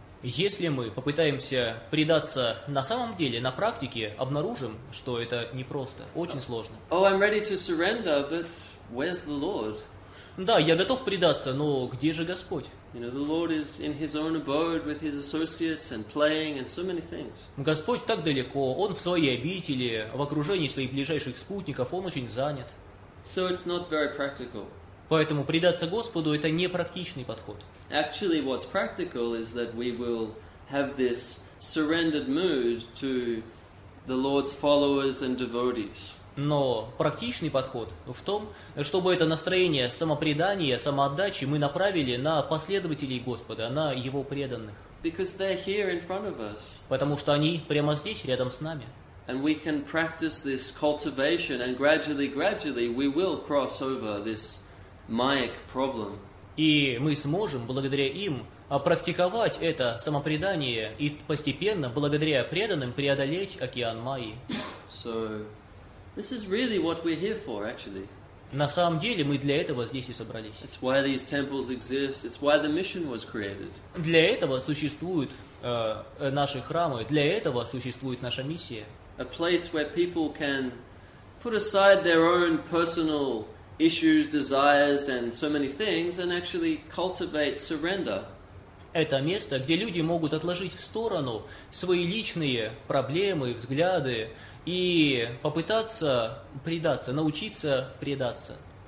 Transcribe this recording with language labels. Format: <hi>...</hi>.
<ru>Если мы попытаемся предаться на самом деле, на практике, обнаружим, что это непросто, очень сложно.</ru> <en>Oh, I'm ready to surrender, but where's the Lord?</en> <ru>Да, я готов предаться, но где же Господь?</ru> <en>You know, the Lord is in his own abode with his associates and playing and so many things.</en> <ru>Господь так далеко, он в своей обители, в окружении своих ближайших спутников, он очень занят.</ru> <en>So it's not very practical.</en> <ru>Поэтому предаться Господу — это не практичный подход.</ru> <en>Actually, what's practical is that we will have this surrendered mood to the Lord's followers and devotees.</en> <ru>Но практичный подход в том, чтобы это настроение самопредания, самоотдачи мы направили на последователей Господа, на Его преданных.</ru> <en>Because they're here in front of us.</en> <ru>Потому что они прямо здесь, рядом с нами.</ru> <en>And we can practice this cultivation, and gradually we will cross over this mayic problem.</en> <ru>И мы сможем, благодаря им, практиковать это самопредание и постепенно, благодаря преданным, преодолеть океан майи.</ru> <en>So... This is really what we're here for, actually.</en> <ru>На самом деле мы для этого здесь и собрались.</ru> <en>It's why these temples exist. It's why the mission was created.</en> <ru>Для этого существуют наши храмы. Для этого существует наша миссия.</ru> <en>A place where people can put aside their own personal issues, desires, and so many things, and actually cultivate surrender.</en> <ru>Это место, где люди могут отложить в сторону свои личные проблемы, взгляды. И попытаться предаться, научиться предаться.</ru>